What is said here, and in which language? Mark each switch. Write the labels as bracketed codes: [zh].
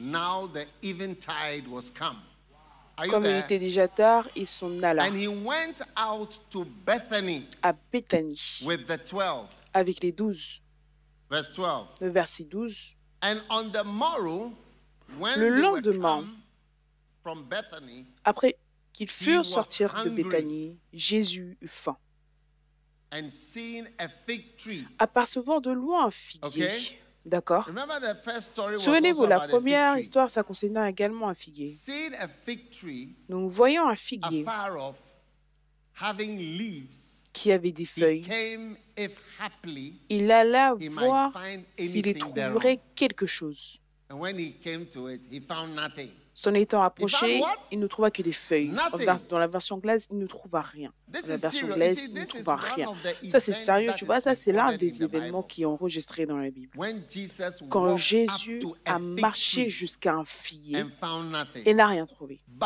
[en] now the eventide was come. [fr] Comme il était déjà tard, il s'en alla. [en] And he went out to Bethany [fr] à Bethany [en] with the 12. [fr] Avec les douze. [en] Verse 12. [fr] Le verset 12. [en] And on the morrow, when [fr] le lendemain, [en] they were from Bethany, [fr] après qu'ils furent sortir de Bethany, Jésus eut faim. [en] And seeing a fig tree. [fr] Apercevant de loin un figuier. [en] Okay. [fr] D'accord. [en] Remember the first story was [fr] Souvenez-vous, [en] also [fr] la première [en] about a fig [fr] histoire, ça concernait également un figuier. [en] Seeing a fig tree, [fr] nous voyons un figuier [en] afar off, having leaves, [fr] qui avait des feuilles. [en] He came, if happily, [fr] il alla voir s'il y trouverait quelque chose. [en] And when he came to it, he found nothing. [fr] S'en étant approché, il ne trouva que des feuilles. Dans la version anglaise, il ne trouva rien. Dans la version anglaise, il ne trouva rien. Ça, c'est sérieux, tu vois, ça, c'est l'un des événements qui est enregistré dans la Bible. Quand Jésus a marché jusqu'à un figuier et n'a rien trouvé.